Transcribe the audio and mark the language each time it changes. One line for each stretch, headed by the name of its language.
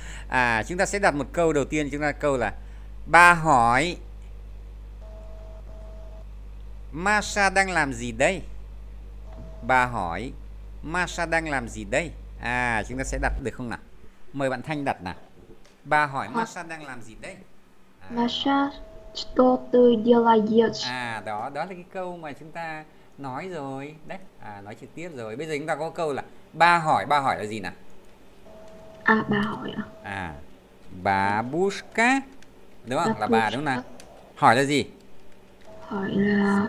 Vietnamese: À, chúng ta sẽ đặt một câu đầu tiên. Chúng ta câu là bà hỏi Masha đang làm gì đây? Bà hỏi Masha đang làm gì đây? À, chúng ta sẽ đặt được không nào? Mời bạn Thanh đặt nào. Bà hỏi Masha đang làm gì đây?
Russian: Masha что ты делаешь?
Vietnamese: À, đó, đó là cái câu mà chúng ta nói rồi, đấy, à, nói trực tiếp rồi. Bây giờ chúng ta có câu là ba hỏi là gì nào? À, ba hỏi à? À, babushka, đúng không? Là bà đúng không nào? Hỏi là gì? Hỏi là.